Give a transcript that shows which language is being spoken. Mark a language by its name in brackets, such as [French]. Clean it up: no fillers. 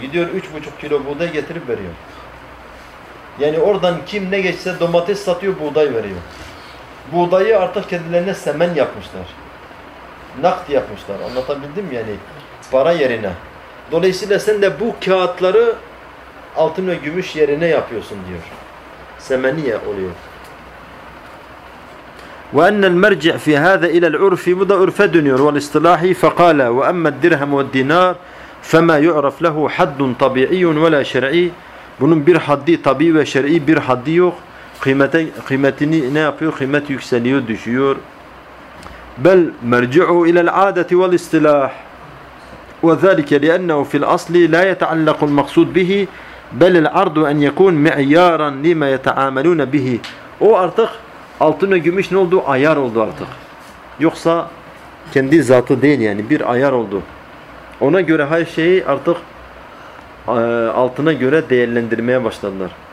[Turkish] Gidiyor 3,5 kilo buğday getirip veriyor. Yani oradan kim ne geçse domates satıyor, buğday veriyor. Buğdayı artık kendilerine semen yapmışlar. Nakit yapmışlar. Anlatabildim mi yani? Para yerine. Dolayısıyla sen de bu kağıtları altın ve gümüş yerine yapıyorsun diyor. Semeniye oluyor. [Arabic] وَاَنَّ الْمَرْجِعْ فِي هَذَا اِلَى الْعُرْفِ [Turkish] Bu da ürfe dönüyor. [Arabic] وَالْاِصْطِلَاحِ فَقَالَ وَاَمَّ الدِّرْهَمُ وَالْدِّنَارِ فَمَا يُعْرَفْ لَهُ حَدٌ طَبِعِيٌ وَلَا شَرْعِي [Turkish] Bunun bir haddi tabi ve şer'i bir haddi yok. Kıymetini ne yapıyor? Kıymet yükseliyor, düşüyor. [Arabic] بَلْ مَرْجِعُوا اِلَى الْعَادَةِ وَالْاِصْطِلَاحِ وذلك لأنه في الأصل لا يتعلق المقصود به بل العرض أن يكون معيارا لما يتعاملون به. [Turkish] O artık altın ve gümüş ne oldu? Ayar oldu artık. Yoksa kendi zatı değil yani, bir ayar oldu. Ona göre her şeyi artık altına göre değerlendirmeye başladılar.